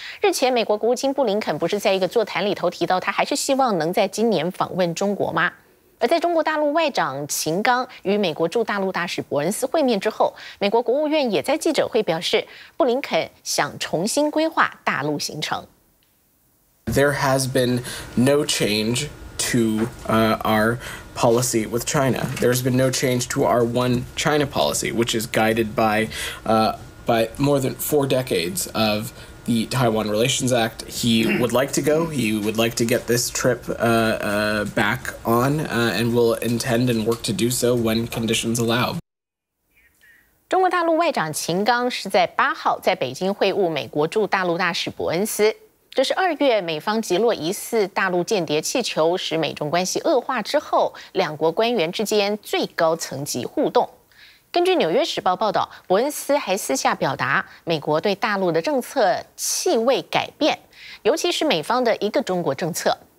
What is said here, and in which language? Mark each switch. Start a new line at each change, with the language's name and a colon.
Chinese: 日前美国国务卿布林肯不是在一个座谈里头提到他还是希望能在今年访问中国吗？而在中国大陆外长秦刚与美国驻大陆大使伯恩斯会面之后，美国国务院也在记者会表示，布林肯想重新规划大陆行程。
English: There has been no changeto our policy with China. There's been no change to our one China policy, which is guided by more than 4 decades of the Taiwan Relations Act. He would like to go. He would like to get this trip back on and will intend and work to do so when conditions allow.
Chinese: 中国大陆外长秦刚是在八号在北京会晤美国驻大陆大使伯恩斯。这是二月美方击落疑似大陆间谍气球，使美中关系恶化之后，两国官员之间最高层级互动。根据《纽约时报》报道，伯恩斯还私下表达美国对大陆的政策气味改变，尤其是美方的一个中国政策。